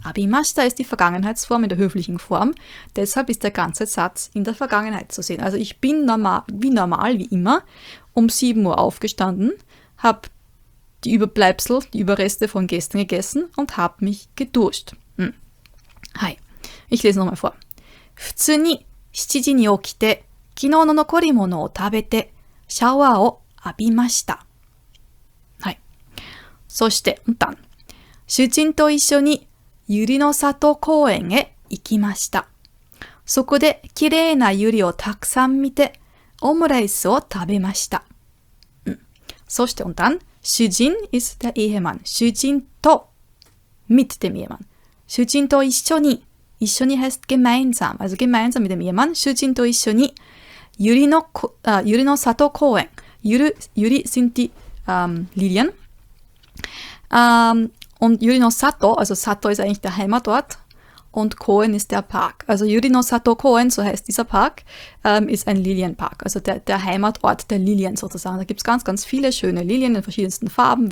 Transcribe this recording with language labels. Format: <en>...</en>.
<de>Abimashita ist die Vergangenheitsform in der höflichen Form. Deshalb ist der ganze Satz in der Vergangenheit zu sehen. Also ich bin normal, wie immer, um 7 Uhr aufgestanden, habe die Überbleibsel, die Überreste von gestern gegessen und habe mich geduscht. Hi. Ich lese nochmal vor.</de> <ja>Futsu ni 7 時に起きて昨日の残り物を食べて、シャワーを浴びました。はい。そして、</ja> <de>dann。</de> <ja>主人と一緒に、ユリの里公園へ行きました。そこで、綺麗なユリをたくさん見て、オムライスを食べました。そして、</ja> <de>dann。</de> <ja>主人</ja> <en>is the</en> <de>Ehemann。</de> <ja>主人と、</ja> <de>mit dem Ehemann。</de> <ja>主人と一緒に、一緒に</ja> <de>heißt gemeinsam。also gemeinsam mit dem Ehemann。</de> <ja>主人と一緒に、ゆりの里公園。</ja> <de>Yuri sind die Lilien. Und Yuri no Sato, also Sato ist eigentlich der Heimatort. Und Koen ist der Park. Also Yuri no Sato Koen, so heißt dieser Park, ist ein Lilienpark. Also der Heimatort der Lilien sozusagen. Da gibt es ganz, ganz viele schöne Lilien in verschiedensten Farben.</de>